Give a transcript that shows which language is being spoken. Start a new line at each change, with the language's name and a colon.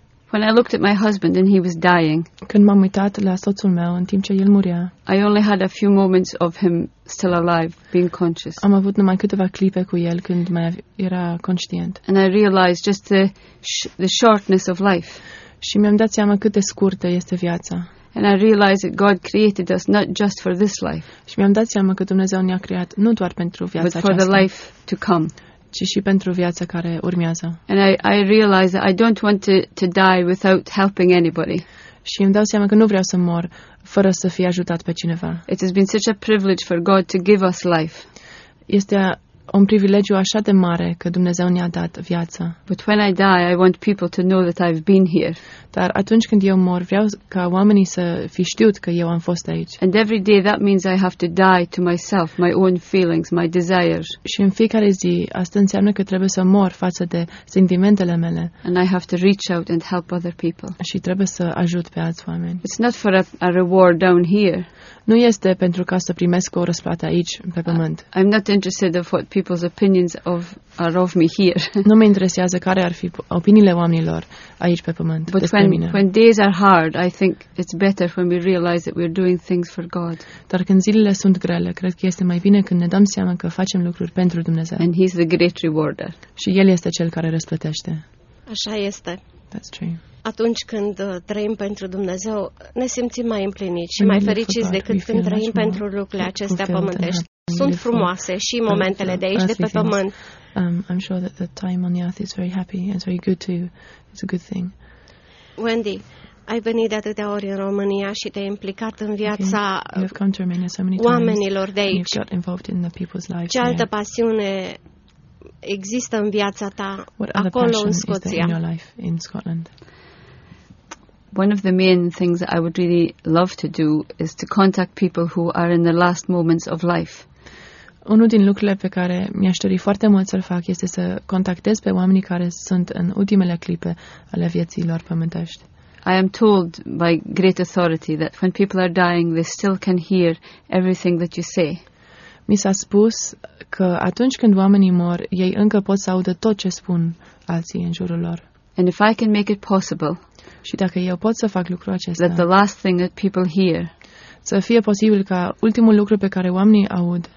English: When I looked at my husband and he was dying,
Romanian: când m-am uitat la soțul meu în timp ce el murea,
English: I only had a few moments of him still alive, being conscious.
Romanian: Am avut numai câteva clipe cu el când mai era conștient.
English: And I realized just the shortness of life.
Romanian: Și mi-am dat seama cât de scurtă este viața.
English: And I realize that God created us not just for this life.
Romanian: Și mi-am dat seama că Dumnezeu ne-a creat nu doar pentru viața aceasta,
English: but for the life to come.
Romanian: Ci și pentru viața care urmează.
English: And I realize that I don't want to die without helping anybody.
Romanian: Și îmi dau seama că nu vreau să mor fără să fi ajutat pe cineva.
English: It has been such a privilege for God to give us life.
Romanian: Este un privilegiu așa de mare că Dumnezeu ne-a dat viața.
English: But when I die, I want people to know that I've been here.
Romanian: Dar atunci când eu mor, vreau ca oamenii să fi știut că eu am fost aici.
English: And every day that means I have to die to myself, my own feelings, my desires.
Romanian: Și în fiecare zi, asta înseamnă că trebuie să mor față de sentimentele mele.
English: And I have to reach out and help other people.
Romanian: Și trebuie să ajut pe alți oameni.
English: It's not for a reward down here.
Romanian: Nu este pentru ca să primesc o răsplată aici, pe pământ.
English: I'm not interested of what people's opinions of are of me here.
Romanian: Nu mă interesează care ar fi opiniile oamenilor aici pe pământ.
English: But when days are hard, I think it's better when we realize that we're doing things for God.
Romanian: Dar când zilele sunt grele, cred că este mai bine când ne dăm seama că facem lucruri pentru Dumnezeu.
English: And he's the great rewarder.
Romanian: Și el este cel care răsplătește. Așa este.
English: That's true.
Romanian: Atunci când trăim pentru Dumnezeu, ne simțim mai împliniți și mai fericiți decât când trăim pentru lucrurile acestea pământești. Sunt frumoase și momentele de aici, de pe pământ.
English: I'm sure that the time on the earth is very happy. It's very good too. It's a good thing.
Romanian: Wendy, ai venit de atâtea ori în România și te-ai implicat în viața oamenilor de aici.
English: You've got involved in the people's lives.
Romanian: Ce altă pasiune există în viața ta acolo în Scoția?
English: In your life in Scotland? One of the main things that I would really love to do is to contact people who are in the last moments of life.
Romanian: Unul din lucrurile pe care mi-aș dori foarte mult să-l fac este să contactez pe oamenii care sunt în ultimele clipe ale vieții lor pământești.
English: I am told by great authority that when people are dying, they still can hear everything that you say.
Romanian: Mi s-a spus că atunci când oamenii mor, ei încă pot să audă tot ce spun alții în jurul lor.
English: And if I can make it possible,
Romanian: și dacă eu pot să fac lucrul acesta,
English: that the last thing that people hear,
Romanian: să fie posibil ca ultimul lucru pe care oamenii aud,